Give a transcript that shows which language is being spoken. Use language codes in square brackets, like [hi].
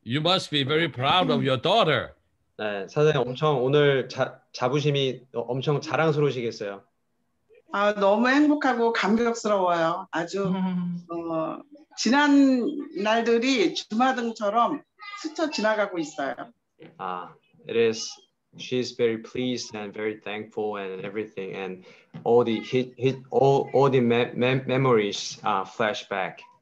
[en] You must be very proud of your daughter. [ko] 네, 선생님 엄청 오늘 자부심이 엄청 자랑스러우시겠어요. 아, 너무 행복하고 감격스러워요. 아주 지난 날들이 주마등처럼 스쳐 지나가고 있어요. [en] 아, it is. She's very pleased and very thankful and everything and all the memories flashback.